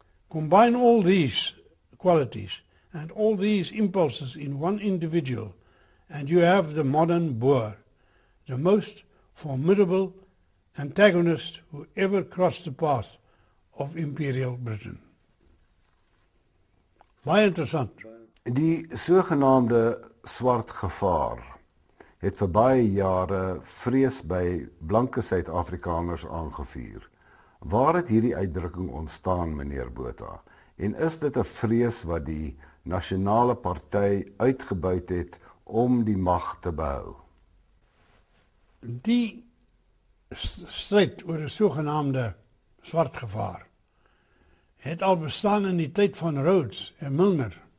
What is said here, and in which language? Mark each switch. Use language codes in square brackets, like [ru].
[en] Combine all these qualities and all these impulses in one individual, and you have the modern Boer, the most formidable antagonist who ever crossed the path of Imperial Britain. [af] Baie interessant. Die sogenaamde swart gevaar het vir baie jare vrees by blanke Suid-Afrikaners aangevuur. Waar het hierdie uitdrukking ontstaan, meneer Botha? En is dit 'n vrees wat die nasionale party uitgebuit het om die mag te behou? Die stryd oor die sogenaamde swart gevaar het al bestaan in die tyd van Rhodes en Milner.